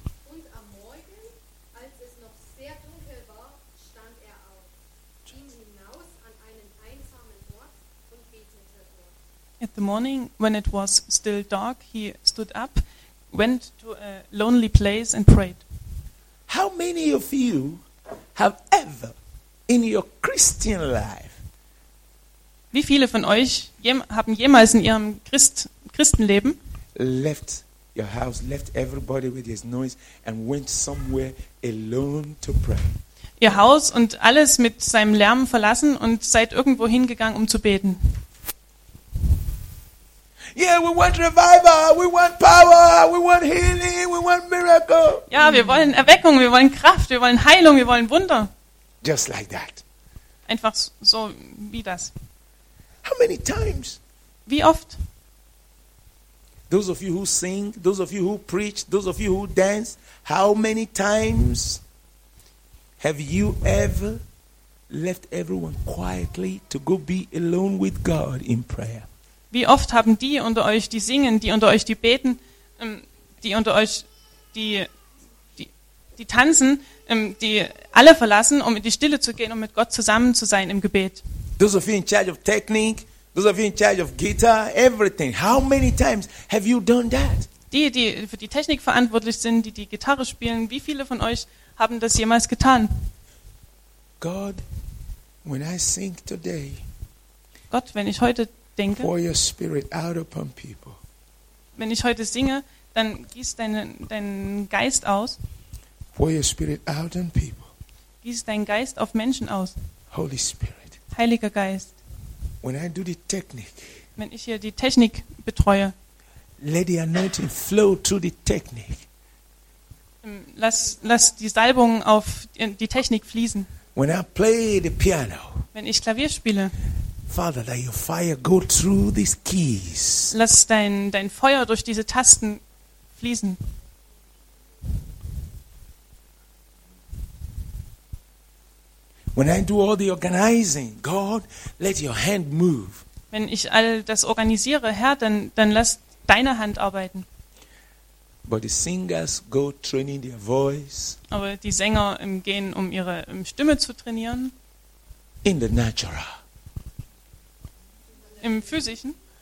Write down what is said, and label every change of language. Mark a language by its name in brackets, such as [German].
[German] Und am Morgen, als es noch sehr dunkel war, stand er auf, ging hinaus an einen einsamen Ort und betete dort. [English] At the morning, when it was still dark, he stood up, went to a lonely place and prayed. How many of you have ever, in your Christian life, [German] wie viele von euch haben jemals in ihrem Christenleben [English] left your house, left everybody with his noise and went somewhere alone to pray? [German] Ihr Haus und alles mit seinem Lärm verlassen und seid irgendwo hingegangen, um zu beten. [English] Yeah, we want revival, we want power, we want healing, we want miracle. [German] Ja, wir wollen Erweckung, wir wollen Kraft, wir wollen Heilung, wir wollen Wunder. [English] Just like that. [German] Einfach so wie das. [English] How many times? [German] Wie oft? [English] Those of you who sing, those of you who preach, those of you who dance, how many times have you ever left everyone quietly to go be alone with God in prayer? [German] Wie oft haben die unter euch, die singen, die unter euch, die beten, die unter euch, die tanzen, die alle verlassen, um in die Stille zu gehen, um mit Gott zusammen zu sein im Gebet? [English] Those of you in charge of technique, those of you in charge of guitar, everything. How many times have you done that? [German] Die für die Technik verantwortlich sind, die Gitarre spielen, wie viele von euch haben das jemals getan? [English] God, when I sing today, [German] Gott, wenn ich heute denke, [English] pour your spirit out upon people. [German] Wenn ich heute singe, dann gieß deinen Geist aus. [English] Pour your spirit out on people. [German] Gieß deinen Geist auf Menschen aus. [English] Holy Spirit. [German] Heiliger Geist. [English] When I do the technique, [German] wenn ich hier die Technik betreue, [English] let the anointing flow through the technique. [German] Lass die Salbung auf die Technik fließen. [English] When I play the piano, [German] wenn ich Klavier spiele, [English] Father, let your fire go through these keys. [German] Lass dein Feuer durch diese Tasten fließen. [English] When I do all the organizing, God, let your hand move. [German] Wenn ich all das organisiere, Herr, dann lass deine Hand arbeiten. [English] But the singers go training their voice. [German] Aber die Sänger gehen, um ihre Stimme zu trainieren. [English] In the natural. [German] Im physischen.